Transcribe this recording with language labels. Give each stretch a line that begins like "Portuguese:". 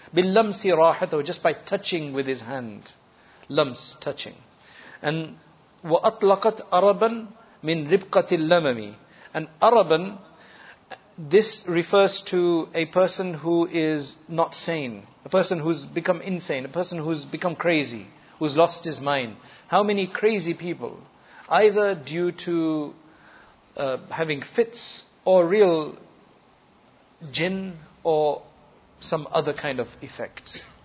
Arabic: بِاللَّمْسِ رَاحَتَهُ,
English: just by touching with his hand. Lams, touching.
Arabic: And وَأَطْلَقَتْ أَرَبًا مِنْ رِبْقَةِ اللَّمَمِ.
English: And أَرَبًا, this refers to a person who is not sane. A person who's become insane. A person who's become crazy. Who's lost his mind. How many crazy people, either due to having fits, or real jinn, or some other kind of effect.